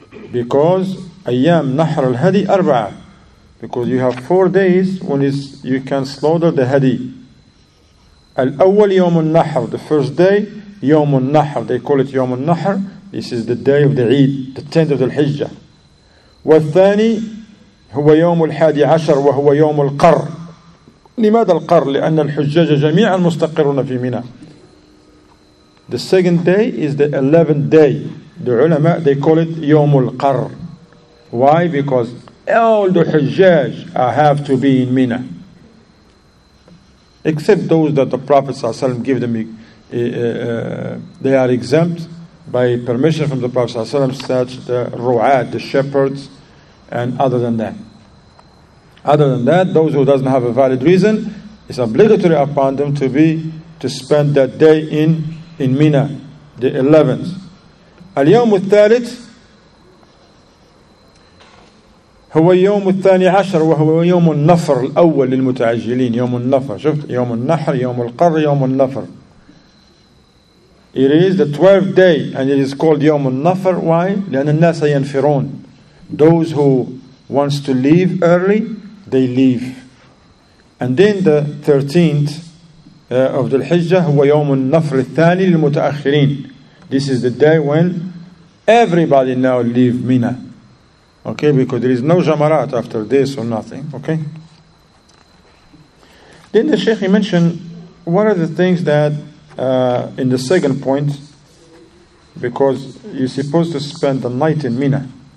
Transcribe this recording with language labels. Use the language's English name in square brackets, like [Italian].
[English] Because [Arabic] ayyam nahr al-hadi arba'a, [English] because you have 4 days when is you can slaughter the hadi. [Arabic] Al-awwal yawm al-nahr, [English] the first day, yawm al-nahr, they call it yawm al-nahr, This is the day of the Eid, the 10th of the Hijjah. [Arabic] والثاني هو يوم الحادي عشر وهو يوم القر. لماذا القر؟ لأن الحجاج جميعا مستقرون في ميناء. [English] The second day is the 11th day. The ulama, they call it يوم القر. Why? Because all the حجاج have to be in ميناء. Except those that the Prophet ﷺ give them, they are exempt by permission from the Prophet ﷺ, such the ru'at, the shepherds, and other than that. Other than that, those who doesn't have a valid reason, it's obligatory upon them to spend that day in Mina, the 11th. [Arabic] اليوم الثالث هو يوم الثاني عشر وهو يوم النفر الأول للمتعجلين. يوم النفر, شفت, يوم النحر, يوم القر, يوم النفر. [English] It is the 12th day and it is called يوم النفر. Why? [Arabic] لأن الناس ينفرون. [English] Those who wants to leave early, they leave. And then the 13th of the Hijjah [Arabic] هو يوم النفر الثاني للمتأخرين. [English] This is the day when everybody now leave Mina. Okay, because there is no Jamarat after this or nothing. Okay. Then the Sheikh, he mentioned what are the things that in the second point, because you're supposed to spend the night in Mina.